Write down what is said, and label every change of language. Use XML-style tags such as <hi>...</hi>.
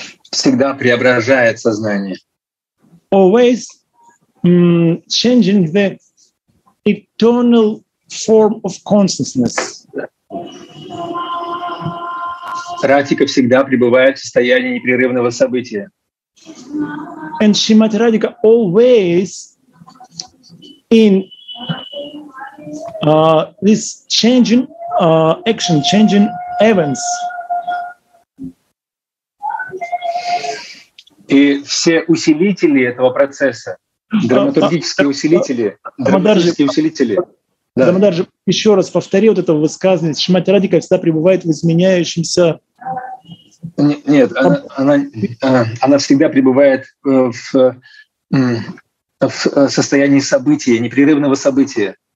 <ru>Всегда преображает сознание.</ru> <en>Always changing the eternal form of consciousness.</en> <ru>Ратика всегда пребывает в состоянии непрерывного события.</ru> <en>And Shrimati Radhika always in this changing action, changing events.</en> <ru>И все усилители этого процесса, драматургические усилители, драматургические усилители. Дамодаржи, еще раз повтори вот это высказывание. Шримати Радхика всегда пребывает в изменяющемся... Нет, она всегда пребывает в состоянии события, непрерывного события.</ru>